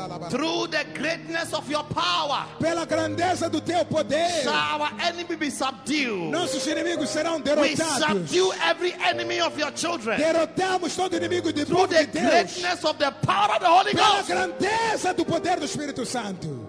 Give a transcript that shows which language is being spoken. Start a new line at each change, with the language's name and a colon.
English: Through the greatness of your power,
Portuguese: pela grandeza do teu poder,
English: shall our enemy be subdued.
Portuguese: Nossos inimigos serão derrotados.
English: We subdue every enemy of your children.
Portuguese: Derrotamos todo inimigo de
English: through the
Portuguese: Deus.
English: Greatness of the power of the Holy
Portuguese: pela
English: Ghost,
Portuguese: pela grandeza do poder do Espírito Santo.